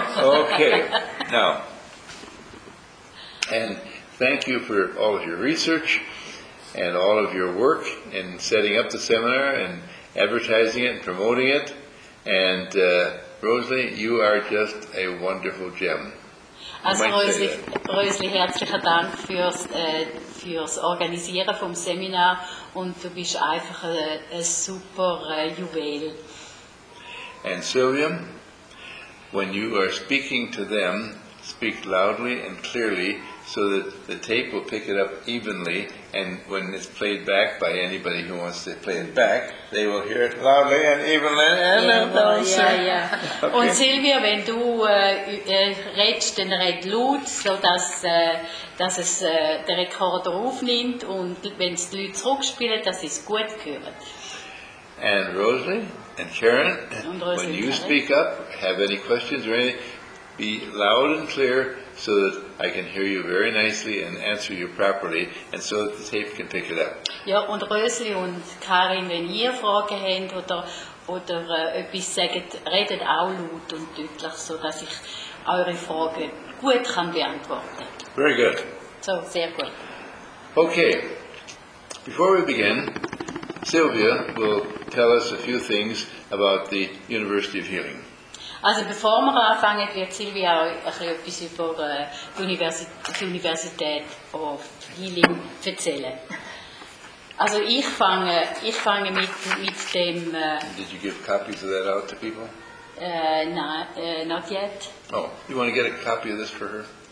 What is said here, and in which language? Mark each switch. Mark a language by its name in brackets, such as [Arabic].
[English] Okay, now. And thank you for all of your research and all of your work in setting up the seminar and advertising it and promoting it, and Rosalie, you are just a wonderful gem. [German] Rosalie, herzlichen Dank fürs Organisieren vom Seminar, und du bist einfach ein super Juwel. [English] And Sylvia, when you are speaking to them, speak loudly and clearly so that the tape will pick it up evenly, and when it's played back by anybody who wants to play it back, they will hear it loudly and evenly. Yeah. Okay. [German] Und Sylvia, wenn du redest, dann red laut, sodass dass es den Rekorder aufnimmt, und wenn es die Leute zurückspielen, dass sie es gut hören. [English] And Rosalie and Karen, [German] und Rosalie, [English] when you speak up, have any questions or anything, be loud and clear so that I can hear you very nicely and answer you properly, and so that the tape can pick it up. [German] Ja, und Rösli und Karin, wenn ihr Fragen habt oder etwas sagt, redet auch laut und deutlich, so dass ich eure Fragen gut kann beantworten. [English] Very good. [German] So, sehr gut. [English] Okay. Before we begin, Sylvia will tell us a few things about the University of Healing. [German] Also bevor wir anfangen, wird Sylvia auch etwas über die Universität of Healing erzählen. Also ich fange mit dem... [English] Did you give copies of that out to people? Not yet. Oh, you want to get a copy of this for her?